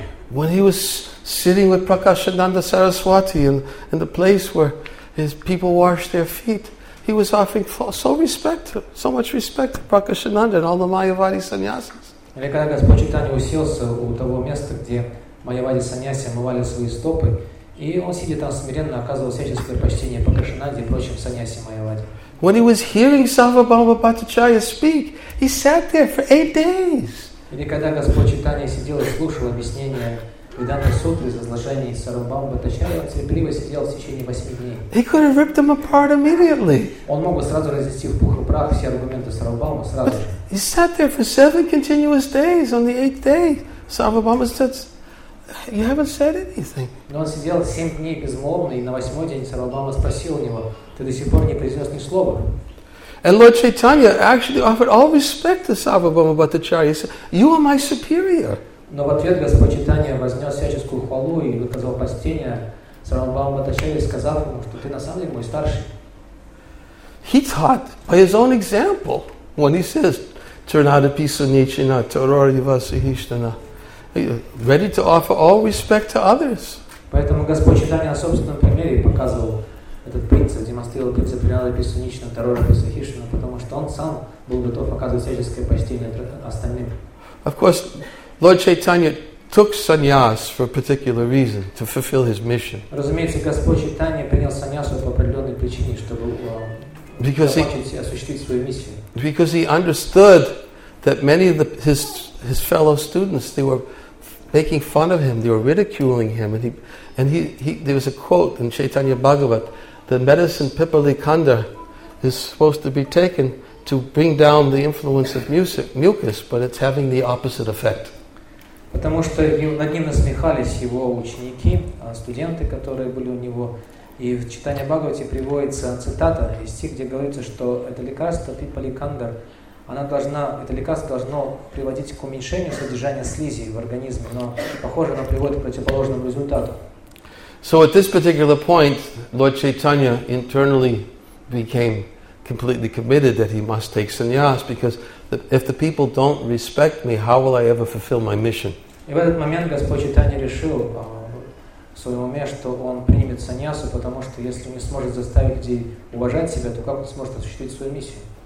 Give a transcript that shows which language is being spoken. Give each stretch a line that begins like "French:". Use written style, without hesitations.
English: When he was sitting with Prakashananda Saraswati in the place where his people washed their feet, he was offering so respect, so much respect to Prakashananda and all the Mayavadi sannyasis.
Russian: Или когда Господь Чайтанья уселся у того места, где Майявади Саньяси омывали свои стопы, и он сидит там смиренно, оказывал всяческое почтение Пракашинанде и прочим Саньяси Майявади.
English: When he was hearing Sarvabhauma Bhattacharya speak, he sat there for 8 days.
Russian: Или когда Господь Чайтанья сидел и слушал объяснение Веданта Сутры из возглашения Сарвабхаума Бхаттачарьи, он терпеливо сидел в течение 8 дней.
English: He could have ripped them apart immediately.
Russian: Он мог бы сразу разнести в пух и прах все аргументы Сарвабхаума сразу же.
English: He sat there for 7 continuous days. On the 8th day, Sarvabhauma says, "You haven't said anything."
Russian: Но он сидел 7 дней безмолвно, и на 8-й день Сарвабхаума спросил у него: "Ты до сих пор не произнес ни слова?"
English: And Lord Chaitanya actually offered all respect to Sarvabhauma Bhattacharya. He said, "You are my superior."
Russian: Но в ответ Господь Чайтанья вознес всяческую хвалу и выказал почтение Сарвабхауму Бхаттачарье, сказав ему, что ты на самом деле мой старший.
English: He taught by his own example. When he says,
Sanskrit: "Tarnadapi sunyachina, tarori vasa hishtana,"
English: ready to offer all respect to others.
Russian: Поэтому Господь Чайтанья на собственном примере показывал этот принцип, демонстрировал принцип
Sanskrit: "Tarnadapi sunyachina, tarori vasa hishtana",
Russian: потому что он сам был готов оказывать всяческое почтение остальным.
English: Of course, Lord Chaitanya took sannyas for a particular reason, to fulfill his mission.
Russian: Разумеется, Господь Чайтанья принял саньясу по определенной причине, чтобы осуществить свою миссию.
English: Because he understood that many of his fellow students, they were making fun of him, they were ridiculing him, and he there was a quote in Chaitanya Bhagavat, the medicine Pipalikanda is supposed to be taken to bring down the influence of mucus, but it's having the opposite effect.
Russian: Потому что над ним насмехались его ученики, студенты, которые были у него. И в Читании Бхагавате приводится цитата из стих, где говорится, что это лекарство, пипаликандр, это лекарство должно приводить к уменьшению содержания слизи в организме, но, похоже, оно приводит к противоположному результату.
English: So at this particular point, Lord Chaitanya internally became completely committed that he must take sannyas, because if the people don't respect me, how will I ever fulfill my mission?
Russian: И в этот момент Господь Чайтанья решил в своем уме, что он примет саньясу, потому что если не сможет заставить людей уважать себя, то как он сможет осуществить свою миссию?